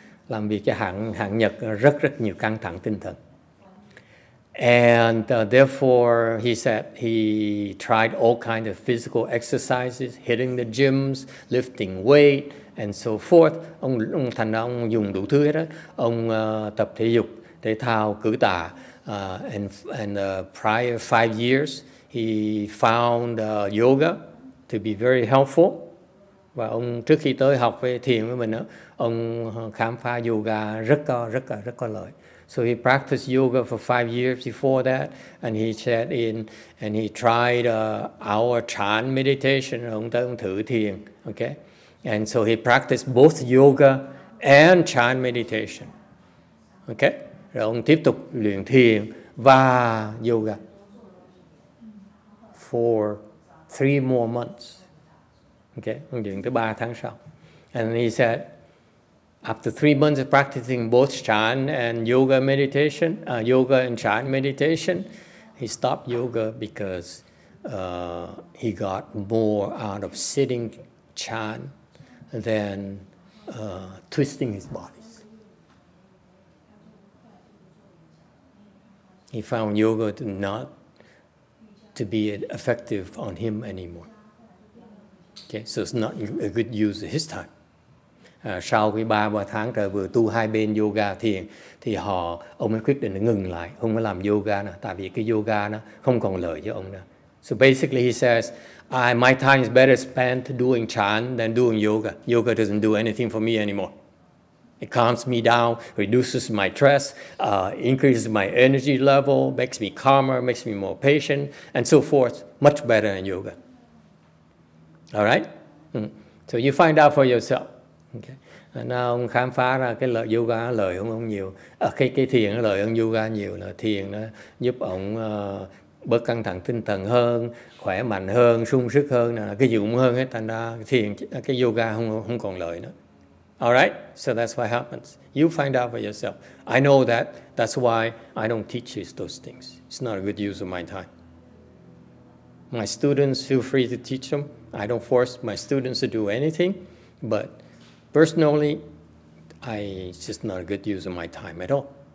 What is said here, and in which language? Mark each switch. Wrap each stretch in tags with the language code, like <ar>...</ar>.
<vi>Làm việc cái hãng Nhật rất rất nhiều căng thẳng tinh thần.</vi> <en>And therefore, he said he tried all kinds of physical exercises, hitting the gyms, lifting weight, and so forth.</en> <vi>Ông thành ra ông dùng đủ thứ hết á. Ông tập thể dục, thể thao, cử tạ.</vi> <en>And prior 5 years, he found yoga to be very helpful.</en> <vi>Và ông trước khi tới học về thiền với mình á, ông khám phá yoga rất có lợi.</vi> <en>So he practiced yoga for 5 years before that, and he sat in and he tried our chan meditation.</en> <vi>Ông ta cũng thử thiền, okay?</vi> <en>And so he practiced both yoga and chan meditation, okay?</en> <vi>Rồi ông tiếp tục luyện thiền và yoga</vi> <en>for 3 more months,</en> <vi>okay? Ông luyện tới 3 tháng sau,</vi> <en>and he said, after 3 months of practicing both chan and yoga meditation, yoga and chan meditation, he stopped yoga because he got more out of sitting chan than twisting his body. He found yoga not to be effective on him anymore. Okay, so it's not a good use of his time.</en> <vi>Sau cái 3 tháng trời vừa tu hai bên yoga thiền thì ông ấy quyết định ngừng lại, không có làm yoga nữa, tại vì cái yoga nó không còn lợi cho ông nữa.</vi> <en>So basically he says, my time is better spent doing chan than doing yoga. Yoga doesn't do anything for me anymore. It calms me down, reduces my stress, increases my energy level, makes me calmer, makes me more patient, and so forth. Much better than yoga. All right? So you find out for yourself. Okay.</en> <vi>Nào ông khám phá ra cái lợi yoga lợi ông nhiều, cái thiền lợi ông yoga nhiều, là thiền nó giúp ông bớt căng thẳng tinh thần hơn, khỏe mạnh hơn, sung sức hơn, cái gì cũng hơn hết, thành ra thiền cái yoga không còn lợi nữa.</vi> <en>Alright, so that's what happens. You find out for yourself. I know that. That's why I don't teach you those things. It's not a good use of my time. My students feel free to teach them. I don't force my students to do anything, but personally, it's just not a good use of my time at all.</en>